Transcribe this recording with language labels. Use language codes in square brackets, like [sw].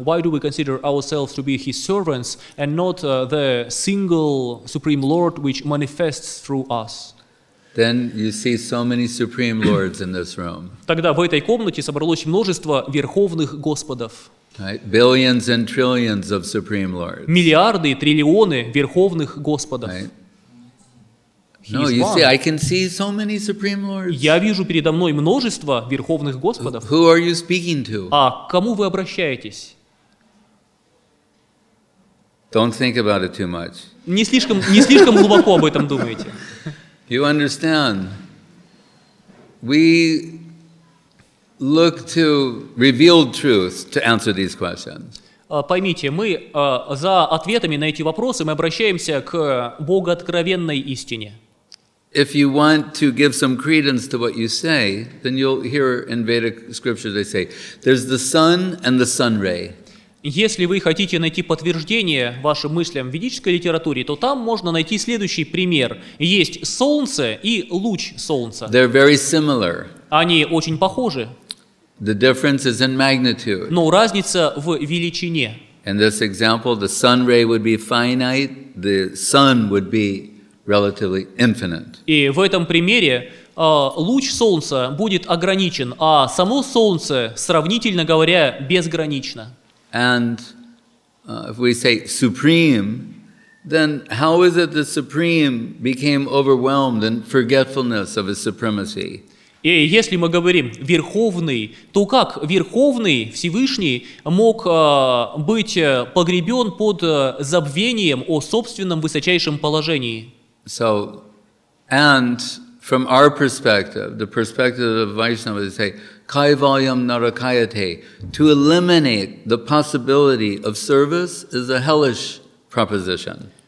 [en] Why do we consider ourselves to be His servants and not the single Supreme Lord which manifests through us? Then you see so many supreme lords in this room. [ru] Тогда в этой комнате собралось множество верховных господов. [en] Right? Billions and trillions of supreme lords. [ru] Миллиарды, триллионы верховных господов. [en] Right? No, you see, I can see so many supreme lords. [ru] Я вижу передо мной множество верховных господов. [en] Who are you speaking to? [ru] А к кому вы обращаетесь? [en] Don't think about it too much. [ru] Не слишком глубоко об этом думаете. [en] You understand, we look to revealed truth to answer these questions. [ru] Поймите, мы за ответами на эти вопросы мы обращаемся к Богооткровенной истине. [en] If you want to give some credence to what you say, then you'll hear in Vedic scriptures they say, there's the sun and the sun ray. [ru] Если вы хотите найти подтверждение вашим мыслям в ведической литературе, то там можно найти следующий пример. Есть солнце и луч солнца. [en] They're very similar. [ru] Они очень похожи. [en] The difference is in magnitude. [ru] Но разница в величине. [en] In this example, the sun ray would be finite, the sun would be relatively infinite. [ru] И в этом примере луч солнца будет ограничен, а само солнце, сравнительно говоря, безгранично. [en] And if we say supreme, then how is it the supreme became overwhelmed in forgetfulness of his supremacy? [ru] И если мы говорим «верховный», то как верховный Всевышний мог быть погребен под забвением о собственном высочайшем положении? [en] So, and from our perspective, the perspective of Vaishnava, they say, Kaivalyam Narakayate, to eliminate the possibility of service is a hellish proposition.